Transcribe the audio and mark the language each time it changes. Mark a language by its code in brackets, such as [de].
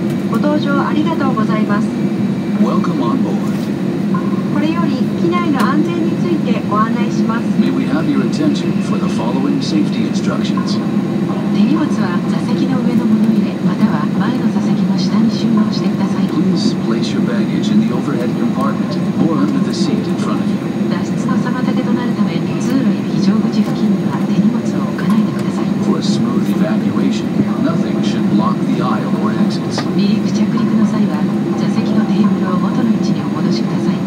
[ja] ご搭乗ありがとうございます。 [en] Welcome on board. [ja] これより機内の安全についてご案内します。 [en] May we have your attention for the following safety instructions. [ja] 手荷物は座席の上の物入れまたは前の座席の下に収納してください。 [en] Please place your baggage in the overhead compartmentOr under the seat in front of you. [ja] 脱出の妨げとなるため通路や非常口付近には手荷物を置かないでください。 [en] For a smooth evacuation, nothing should block the aisle or exits. [ja] 離陸着陸の際は座席のテーブルを元の位置にお戻しください。